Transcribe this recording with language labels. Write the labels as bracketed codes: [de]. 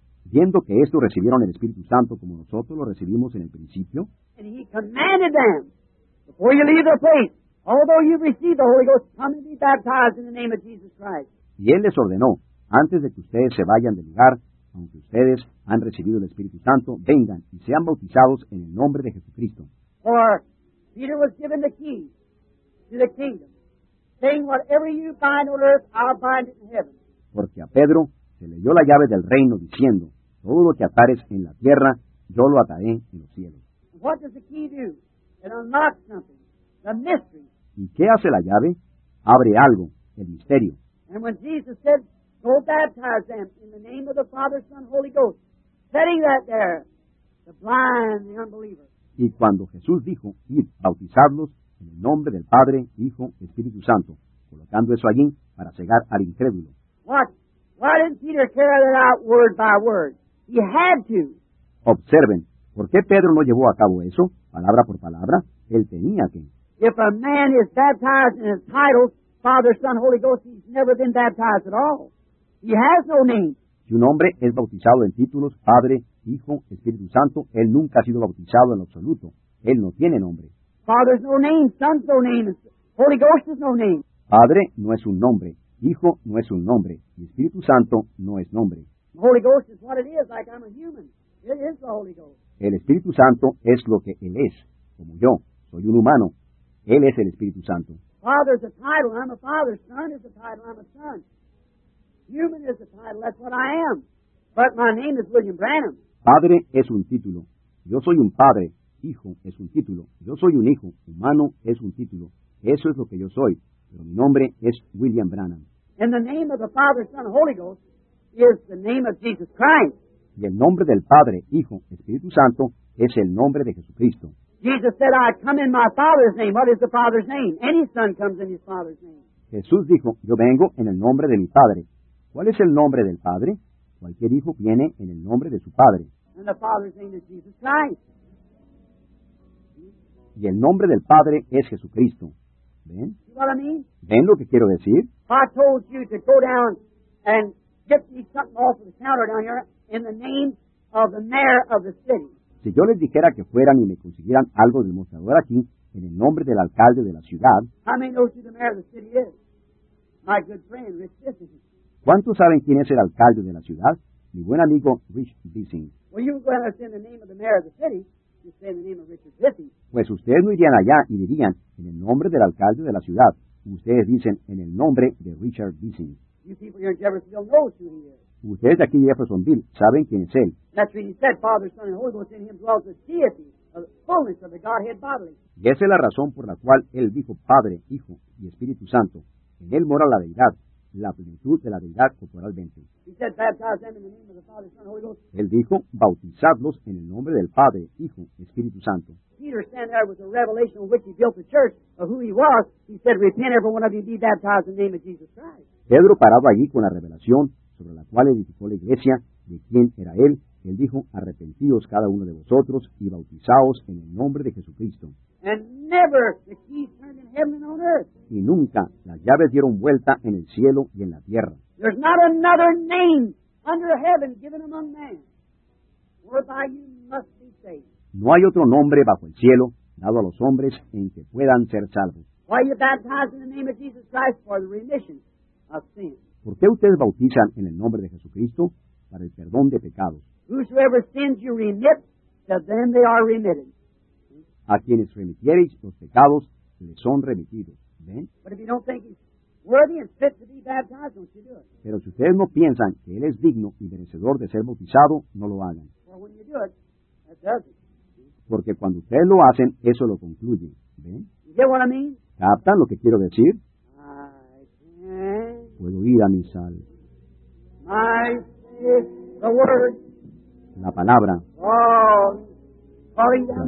[es] Viendo que estos recibieron el Espíritu Santo como nosotros lo recibimos en el principio, [en] and he commanded them, before you leave the place, although you receive the Holy Ghost, come and be baptized in the name of Jesus Christ. [es] Y él les ordenó, antes de que ustedes se vayan del lugar, aunque ustedes han recibido el Espíritu Santo, vengan y sean bautizados en el nombre de Jesucristo. [en] For Peter was given the key to the kingdom, saying, whatever you bind on earth, I'll bind it in heaven. [es] Porque a Pedro se le dio la llave del reino diciendo, todo lo que atares en la tierra, yo lo ataré en los cielos. [en] What does the key do? It unlocks something. The mystery. [es] ¿Y qué hace la llave? Abre algo, el misterio. [en] And when Jesus said, go baptize them in the name of the Father, Son, Holy Ghost, setting that there, the blind, the unbeliever. [es] Y cuando Jesús dijo, id, bautizarlos en el nombre del Padre, Hijo, Espíritu Santo, colocando eso allí para cegar al incrédulo. [en] Watch. Why didn't Peter carry that out word by word? He had to. [es] Observen, ¿por qué Pedro no llevó a cabo eso, palabra por palabra? Él tenía que. [en] If a man is baptized in his title, Father, Son, Holy Ghost, he's never been baptized at all. He has no name. [es] Si un hombre es bautizado en títulos, Padre, Hijo, Espíritu Santo, él nunca ha sido bautizado en absoluto. Él no tiene nombre. [en] Father's no name, Son's no name, Holy Ghost is no name. [es] Padre no es un nombre. Hijo no es un nombre. Y Espíritu Santo no es nombre. [en] Holy Ghost is what it is, like I'm a human. It is the Holy Ghost. [es] El Espíritu Santo es lo que Él es, como yo. Soy un humano. Él es el Espíritu Santo. [en] Father is a title. I'm a father. Son is a title. I'm a son. Human is a title. That's what I am. But my name is William Branham. [es] Padre es un título. Yo soy un padre. Hijo es un título. Yo soy un hijo. Humano es un título. Eso es lo que yo soy. Pero mi nombre es William Branham. [en] And the name of the Father, Son, Holy Ghost is the name of Jesus Christ. [es] Y el nombre del Padre, Hijo, Espíritu Santo es el nombre de Jesucristo. [en] Jesus said, I come in my Father's name. What is the Father's name? Any son comes in his Father's name. [es] Jesús dijo, yo vengo en el nombre de mi Padre. ¿Cuál es el nombre del Padre? Cualquier hijo viene en el nombre de su Padre. [en] And the Father's name is Jesus Christ. [es] Y el nombre del Padre es Jesucristo. ¿Ven? [en] You know what I mean? [es] ¿Ven lo que quiero decir? [en] If I told you to go down and get me something off of the counter down here in the name of the mayor of the city. [es] Si yo les dijera que fueran y me consiguieran algo del mostrador aquí en el nombre del alcalde de la ciudad. [en] How many know who the mayor of the city is? My good friend, Rich Bissing. [es] ¿Cuántos saben quién es el alcalde de la ciudad? Mi buen amigo, Rich Bissing. [en] Well, you go down and say the name of the mayor of the city. Say in the name of Richard Bissing. [es] Pues ustedes no irían allá y dirían, en el nombre del alcalde de la ciudad. Ustedes dicen, en el nombre de Richard Bissing. [en] You people here in Jeffersonville know who he is. [es] Ustedes de aquí en Jeffersonville saben quién es él. [en] That's what he said, Father, Son, and Holy Ghost in him dwells the deity, the fullness of the Godhead bodily. [es] Y esa es la razón por la cual él dijo, Padre, Hijo y Espíritu Santo. En él mora la Deidad, la plenitud de la Deidad corporalmente. [en] He said, baptize them in the name of the Father, Son, and Holy Ghost. [es] Él dijo, bautizadlos en el nombre del Padre, Hijo, Espíritu Santo. [en] Peter stand there with a revelation on which he built the church of who he was. He said, repent, every one of you, be baptized in the name of Jesus Christ. [es] Pedro parado allí con la revelación sobre la cual edificó la iglesia, de quién era él. Él dijo, arrepentíos cada uno de vosotros y bautizaos en el nombre de Jesucristo. [en] And never the keys turned in heaven and on earth. [es] Y nunca las llaves dieron vuelta en el cielo y en la tierra. [en] There's not another name under heaven given among men, whereby you must be saved. [es] No hay otro nombre bajo el cielo dado a los hombres en que puedan ser salvos. [en] Why are you baptized in the name of Jesus Christ for the remission of sin? [es] ¿Por qué ustedes bautizan en el nombre de Jesucristo para el perdón de pecados? [en] Whosoever sins you remit, to them they are remitted. [es] A quienes remitiereis los pecados, les son remitidos. ¿Ven? [en] But if you don't think he's worthy and fit to be baptized, don't you do it. [es] Pero si ustedes no piensan que él es digno y merecedor de ser bautizado, no lo hagan. [en] Well, when you do it, that does it. [es] Porque cuando ustedes lo hacen, eso lo concluye. ¿Ven? [en] You get what I mean? [es] ¿Captan lo que quiero decir? [en] I can. [es] Puedo ir a mi sal. [en] My is the word. [es] La palabra. [en] Oh, falling down